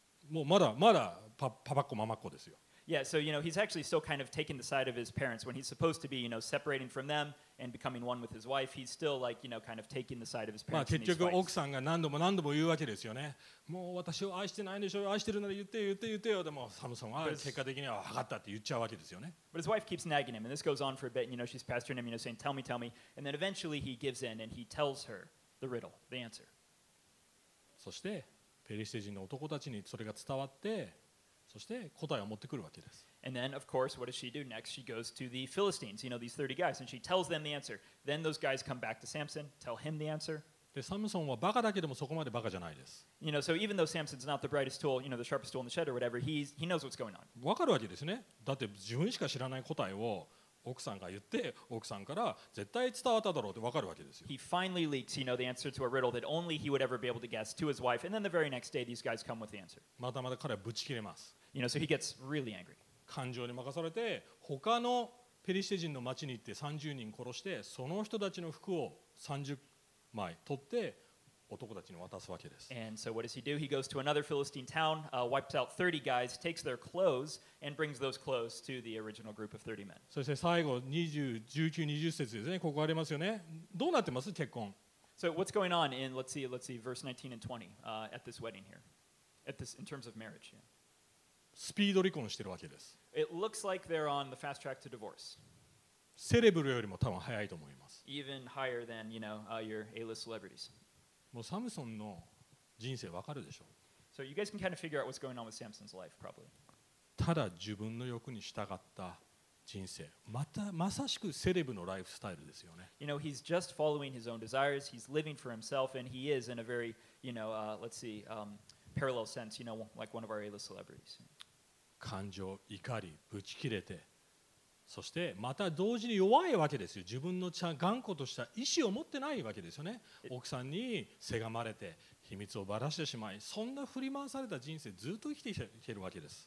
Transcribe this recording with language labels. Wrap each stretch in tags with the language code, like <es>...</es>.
<ja>もうまだまだパパっ子ママっ子ですよ。</ja> <en>Yeah, so, you know, he's actually still kind of taking the side of his parents. When he's supposed to be, you know, separating from them and becoming one with his wife, he's still, like, you know, kind of taking the side of his parents.</en> <ja>結局奥さんが何度も何度も言うわけですよね。もう私を愛してないでしょ、愛してるなら言って言って言ってよ。でもサムソンは結果的には分かったって言っちゃうわけですよね。</ja> <en>But his wife keeps nagging him, and this goes on for a bit, and, you know, she's pestering him, you know, saying, tell me, tell me. And then eventually he gives in, and he tells her the riddle, the answer.</en> <ja>そしてペリシテ人の男たちにそれが伝わって、そして答えを持ってくるわけです。</ja> <en>And then, of course, what does she do next? She goes to the Philistines, you know, these 30 guys, and she tells them the answer. Then those guys come back to Samson, tell him the answer.</en> <ja>で、サムソンはバカだけでもそこまでバカじゃないです。</ja> <en>You know, so even though Samson's not the brightest tool, you know, the sharpest tool in the shed or whatever, he knows what's going on.</en> <ja>わかるわけですね。だって自分しか知らない答えを奥さんが言って、奥さんから絶対伝わっただろうってわかるわけですよ。</ja> <en>He finally leaks, you know, the answer to a riddle that only he would ever be able to guess to his wife, and then the very next day, these guys come with the answer.</en> <ja>まだまだ彼はぶち切れます。</ja> <en>You know, so he gets really angry.</en> <ja>感情に任されて他のペリシテ人の町に行って30人殺してその人たちの服を30枚取って男たちに渡すわけです。</ja> <en>And so what does he do? He goes to another Philistine town, wipes out 30 guys, takes their clothes, and brings those clothes to the original group of 30 men.</en> <ja>そして最後19-20節ですね。ここありますよね。どうなってます？結婚。</ja> <en>So what's going on in let's see verse 19 and 20 at this wedding here, at this in terms of marriage?、Yeah.</en> <ja>スピード離婚してるわけです。</ja> <en>It looks like they're on the fast track to divorce.</en> <ja>セレブルよりも多分早いと思います。</ja> <en>Even higher than, you know, your A-list celebrities.</en> <ja>もうサムソンの人生わかるでしょう。</ja> <en>So you guys can kind of figure out what's going on with Samson's life, probably.</en> <ja>ただ自分の欲に従った人生、またまさしくセレブのライフスタイルですよね。</ja> <en>You know, he's just following his own desires. He's living for himself, and he is in a very, you know, let's see, parallel sense, you know, like one of our A-list celebrities.</en> <ja>感情、怒り、ぶち切れて、そしてまた同時に弱いわけですよ。自分の頑固とした意思を持ってないわけですよね。奥さんにせがまれて、秘密をばらしてしまい、そんな振り回された人生ずっと生きていけるわけです。</ja>